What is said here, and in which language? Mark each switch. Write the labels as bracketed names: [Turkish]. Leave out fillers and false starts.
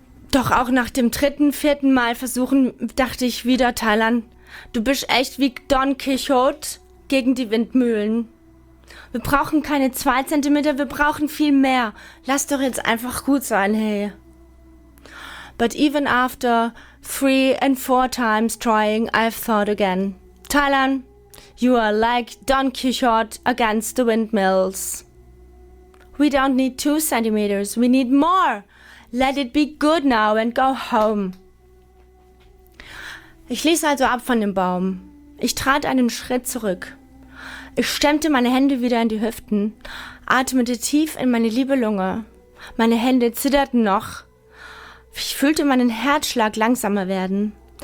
[German] Doch auch nach dem dritten, vierten Mal versuchen, dachte ich wieder, Talan, du bist echt wie Don Quixote gegen die Windmühlen. Wir brauchen keine 2 Zentimeter, wir brauchen viel mehr. Lass doch jetzt einfach gut sein, hey. [English] But even after 3 and 4 times trying, I've thought again. Talan, you are like Don Quixote against the windmills. We don't need 2 centimeters, we need more. Let it be good now and go home. [German] Ich ließ also ab von dem Baum. Ich trat einen Schritt zurück. Ich stemmte meine Hände wieder in die Hüften, atmete tief in meine liebe Lunge. Meine Hände zitterten noch. Ich fühlte meinen Herzschlag langsamer werden.